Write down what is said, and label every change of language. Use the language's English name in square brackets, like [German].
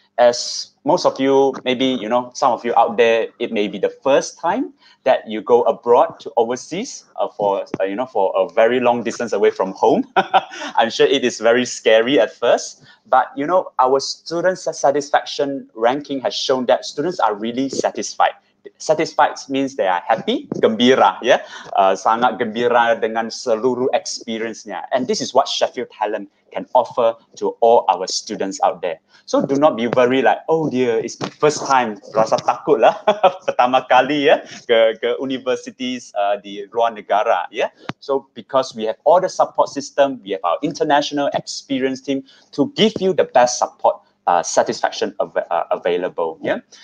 [English] As most of you, maybe you know, some of you out there, it may be the first time that you go abroad to overseas for a very long distance away from home. I'm sure it is very scary at first. But, you know, our students' satisfaction ranking has shown that students are really satisfied. Satisfied means they are happy, gembira, yeah? [Malay] Sangat gembira dengan seluruh experience-nya. [English] And this is what Sheffield Hallam can offer to all our students out there. So do not be worried like, oh dear, it's my first time. [Malay] Rasa takut lah, pertama kali ya, ke universities di luar negara. [English] Yeah? So because we have all the support system, we have our international experience team to give you the best support satisfaction available. Yeah?